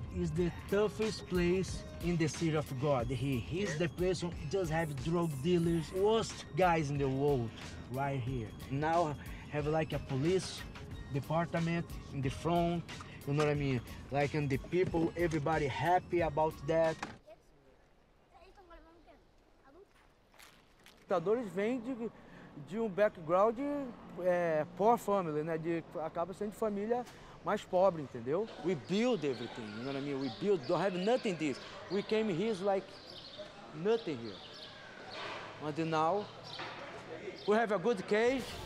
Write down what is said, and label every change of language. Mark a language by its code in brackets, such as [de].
[en] It's the toughest place in the City of God. He's the place who just have drug dealers, worst guys in the world, right here. Now have like a police department in the front, you know what I mean? Like, and the people, everybody happy about that. [pt] Lutadores vem de um [en] background poor family, [pt] né? De, acaba sendo família mais pobre, entendeu? [en] We build everything, you know what I mean? We build, don't have nothing this. We came here, it's like nothing here. And now, we have a good cage.